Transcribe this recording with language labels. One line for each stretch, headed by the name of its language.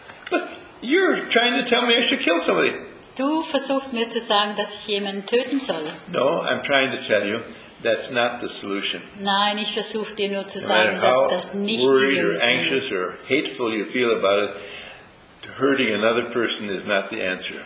English: Look, you're trying to tell me I should kill somebody.
German: Du versuchst mir zu sagen, dass ich jemanden töten soll.
English: No, I'm trying to tell you. That's not the solution.
German: Nein, ich versuche dir nur zu sagen, dass das nicht die Lösung ist.
English: No matter how worried or anxious or hateful you feel about it, hurting another person is not the answer.